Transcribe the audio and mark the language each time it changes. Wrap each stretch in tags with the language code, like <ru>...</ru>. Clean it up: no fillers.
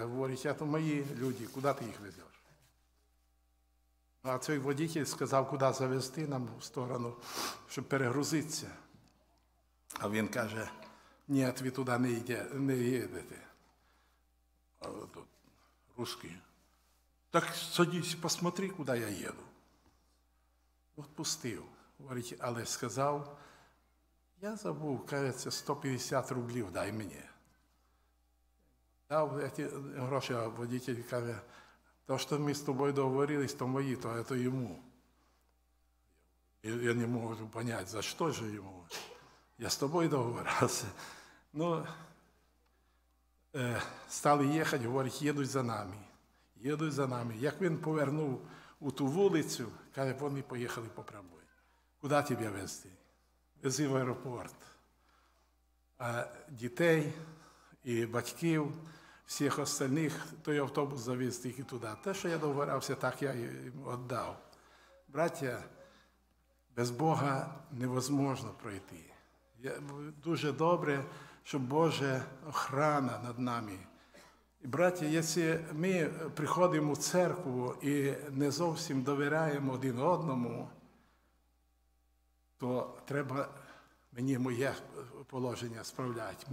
<uk>Говорить, а то мої люди, куди ти їх везеш? Ну, а цей водитель сказав, куди завезти нам в сторону, щоб перегрузитися. А він каже, Ні, ви туди не йдете, не їдете.</uk> <ru>А тут русский. Так садись, посмотри,</ru> <uk>куди я їду. Відпустив. Говорить, але сказав, я забув, кажеться, 150 рублів дай мені. Дав ці гроші, а водитель каже, то, що ми з тобою договорились, то мої, то це йому. Я не можу зрозуміти, за що ж йому? Я з тобою договорився. Ну, стали їхати, говорить, їдуть за нами. Їдуть за нами. Як він повернув у ту вулицю, каже, вони поїхали по прямій. Куди тебе везти? Вези в аеропорт. А дітей і батьків, всіх остальних, той автобус завіз тільки туди. Те, що я договорився, так я їм віддав. Браття, без Бога невозможно пройти. Дуже добре, щоб Божа охрана над нами. Браття, якщо ми приходимо в церкву і не зовсім довіряємо один одному, то треба мені моє положення справляти.</uk>